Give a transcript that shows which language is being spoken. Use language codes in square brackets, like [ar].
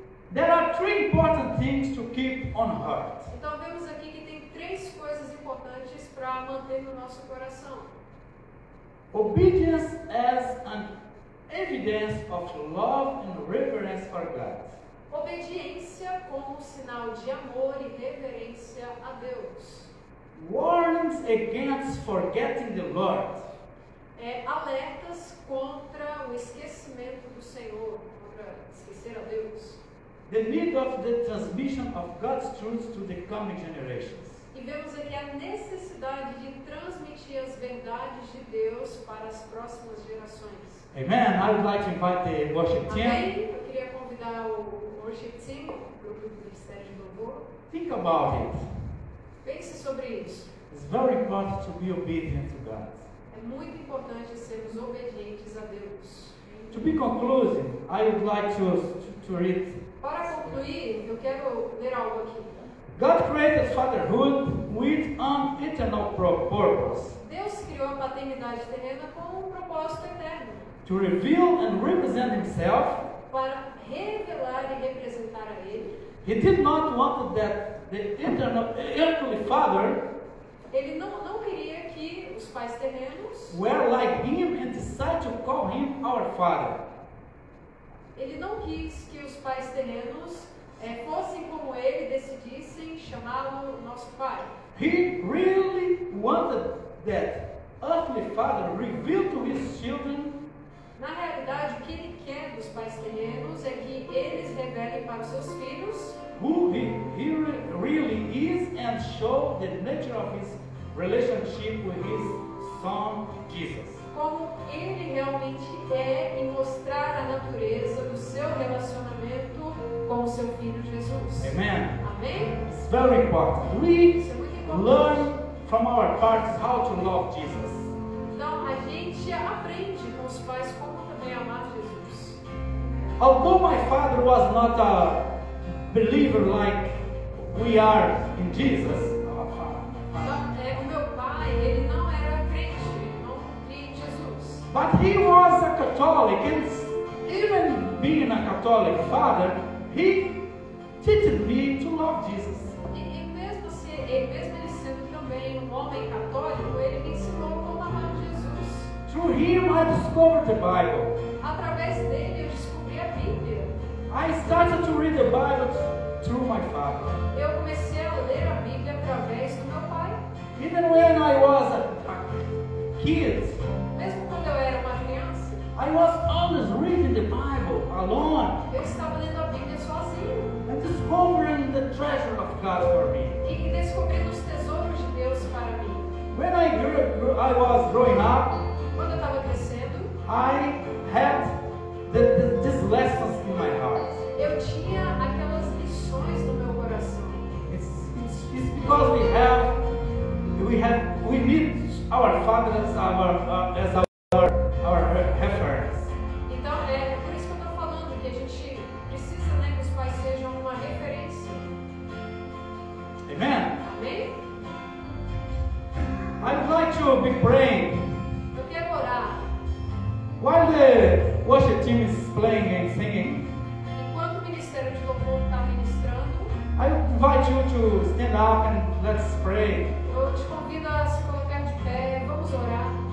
[en] There are three important things to keep on heart. [pt] Então vemos aqui que tem três coisas importantes para manter no nosso coração. [en] Obedience as an evidence of love and reverence for God. [pt] Obediência como sinal de amor e reverência a Deus. [en] Warnings against forgetting the Lord. [pt] É alertas contra o esquecimento do Senhor, contra esquecer a Deus. [en] The need of the transmission of God's truth to the coming generations. [pt] E vemos aqui a necessidade de transmitir as verdades de Deus para as próximas gerações. [en] Amen. I would like to invite the worship team. [pt] Amém. Eu queria convidar o worship team, o grupo do Ministério de Louvor. [en] Think about it. [pt] Pense sobre isso. [en] It's very important to be obedient to God. [pt] É muito importante sermos obedientes a Deus. [en] To be conclusive, I would like to read. [pt] Para concluir, eu quero ler algo aqui. [en] God created fatherhood with an eternal purpose. [pt] Deus criou a paternidade terrena com um propósito eterno. [en] To reveal and represent Himself. [pt] Para revelar e representar a Ele. [en] He did not want that the earthly father. [pt] Ele não queria que os pais terrenos [en] were like him and decide to call him our father. [pt] Ele não quis que os pais terrenos fossem como ele e decidissem chamá-lo nosso pai. [en] He really wanted that earthly father reveal to his children. [pt] Na realidade, o que ele quer dos pais terrenos é que eles revelem para os seus filhos [en] who he really is and show the nature of his relationship with his son Jesus. [pt] Como ele realmente é e mostrar a natureza do seu relacionamento com o seu filho Jesus. [en] Amen. [pt] Amém? [en] It's very important. We learn from our parents how to love Jesus. [pt] Então a gente aprende com os pais como também amar Jesus. [en] Although my father was not a believer like we are in Jesus. [pt] O meu pai, ele não era crente, não cria em Jesus. [en] But he was a Catholic, and even being a Catholic father, he taught me to love Jesus. [pt] E mesmo ele sendo também um homem católico, ele me ensinou como amar Jesus. [en] Through him I discovered the Bible. [pt] Através dele eu descobri a Bíblia. [en] I started to read the Bible through my father. [pt] Eu comecei a ler a Bíblia através do meu pai. [en] Even when I was a kid, [pt] mesmo quando eu era uma criança, [en] I was always reading the Bible alone. [pt] Eu estava lendo a Bíblia sozinho. [en] And discovering the treasure of God for me. [pt] E descobrindo os tesouros de Deus para mim. [en] When I was growing up, [pt] quando eu estava crescendo, [en] I had this lessons in my heart. [pt] Eu tinha aquelas lições no meu coração. [en] It's because we need our father as our reference. [pt] Então é por isso que eu estou falando que a gente precisa, né, que os pais sejam uma referência. [en] Amen. [pt] Amém. [en] I'd like to be praying. [pt] Eu quero orar. [en] While the worship team is playing and singing, [pt] enquanto o ministério de louvor está ministrando, [en] I invite you to stand up and let's pray. [pt] Eu te convido a se colocar de pé, vamos orar.